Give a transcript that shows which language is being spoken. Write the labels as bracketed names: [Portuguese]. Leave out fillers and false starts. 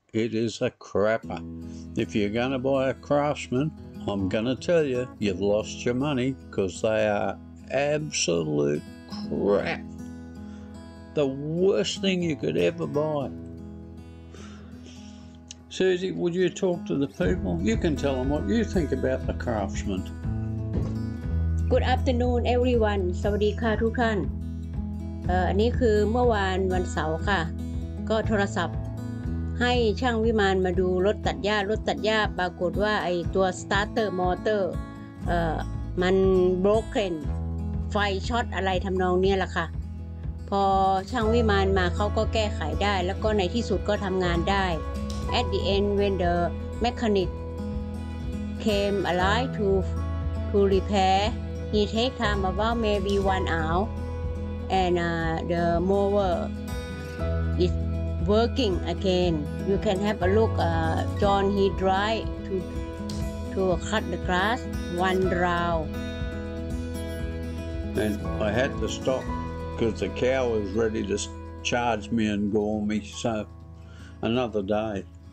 [English] It is a crapper. If you're going to buy a Craftsman, I'm going to tell you, you've lost your money, because they are absolute crap. The worst thing you could ever buy. Susie, would you talk to the people? You can tell them what you think about the Craftsman. Good afternoon, everyone. [Thai] สวัสดีค่ะทุกท่านอันนี้คือเมื่อวานวันเสาร์ค่ะก็โทรศัพท์ให้ช่างวิมานมาดูรถตัดหญ้ารถตัดหญ้าปรากฏว่าไอ้ตัวสตาร์เตอร์มอเตอร์ มัน broken ไฟช็อตอะไรทำนองเนี้ยล่ะค่ะพอช่างวิมานมาเขาก็แก้ไขได้แล้วก็ในที่สุดก็ทำงานได้ [English] At the end, when the mechanic came alive to repair, he take time about maybe 1 hour, and the mower is working again. You can have a look. John, he dry to cut the grass 1 round. And I had to stop because the cow was ready to charge me and gore me. So another day.